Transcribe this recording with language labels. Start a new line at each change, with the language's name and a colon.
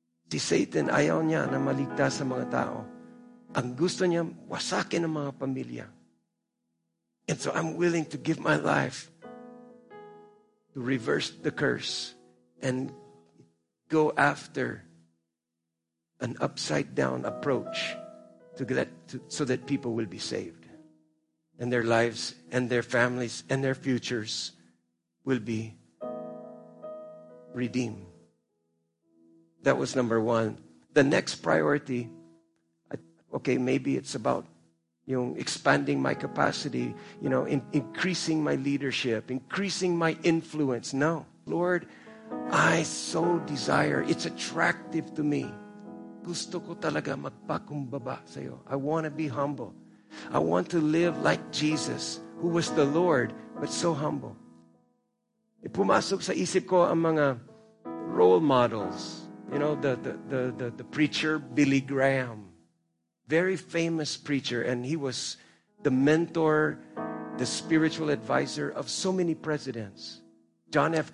Filipino: Si Satan, ayaw niya na maligtas sa mga tao. Ang gusto niya, wasakin ang mga pamilya.
English: And so I'm willing to give my life to reverse the curse and go after an upside down approach so that people will be saved and their lives and their families and their futures will be redeemed. That was number one. The next priority, maybe it's about expanding my capacity, increasing my leadership, increasing my influence. No, Lord, I so desire, it's attractive to me.
Filipino: Gusto ko talaga magpakumbaba sa'yo.
English: I want to be humble. I want to live like Jesus, who was the Lord, but so humble.
Filipino: Ipumasok sa isip ko ang mga role models.
English: The preacher Billy Graham. Very famous preacher, and he was the mentor, the spiritual advisor of so many presidents. John F.